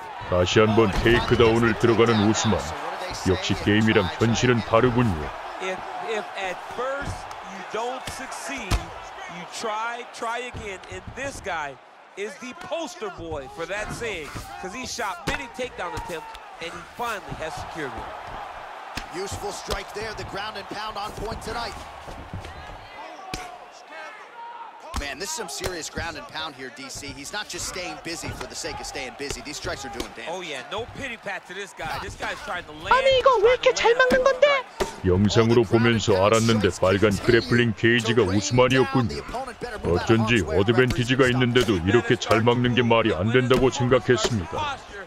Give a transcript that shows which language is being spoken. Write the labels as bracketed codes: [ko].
[ko] 다시 한번 테이크다운을 들어가는 우스만. 역시 게임이랑 현실은 다르군요. [en] If at first you don't succeed, you try again. And this guy is the poster boy for that saying, because he shot many takedown attempts and he finally has secured one. Useful strike there. The ground and pound on point tonight. Man, this is some serious ground and pound here, DC. He's not just staying busy for the sake of staying busy. These strikes are doing damage. Oh yeah, no pity pat to this guy. This guy's trying to land. [ko] 아니 이거 왜 이렇게 잘 막는 건데? 영상으로 보면서 알았는데 빨간 그래플링 게이지가 우스만이었군요. 어쩐지 어드밴티지가 있는데도 이렇게 잘 막는 게 말이 안 된다고 생각했습니다.